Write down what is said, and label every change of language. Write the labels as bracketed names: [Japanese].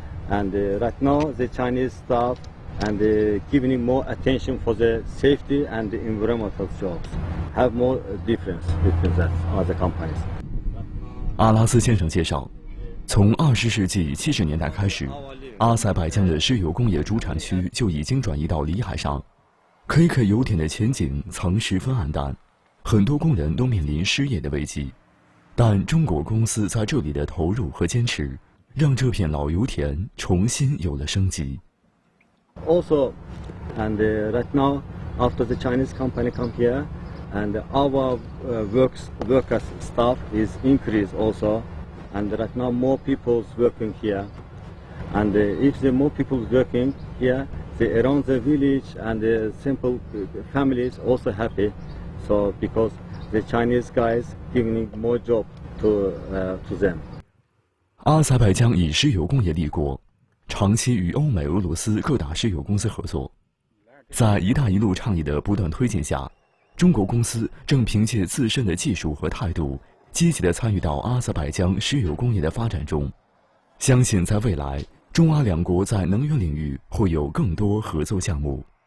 [English] And right now the Chinese staff and giving more attention for the safety and the environmental jobs have more difference between that other companies. [Chinese] 阿拉斯先生介绍。从20世纪70年代开始，阿塞拜疆的石油工业主产区就已经转移到里海上。 KK 油田的前景曾十分暗淡，很多工人都面临失业的危机。但中国公司在这里的投入和坚持，让这片老油田重新有了生机。 [English] Also, and right now, after the Chinese company come here, and our workers staff is increased also. And right now, more people working here. And if the more people working here, the around the village and the simple families also happy. So because the Chinese guys giving more job to them. [Chinese] 阿塞拜疆以石油工业立国，长期与欧美、俄罗斯各大石油公司合作。在“一带一路”倡议的不断推进下，中国公司正凭借自身的技术和态度。积极地参与到阿塞拜疆石油工业的发展中，相信在未来，中阿两国在能源领域会有更多合作项目。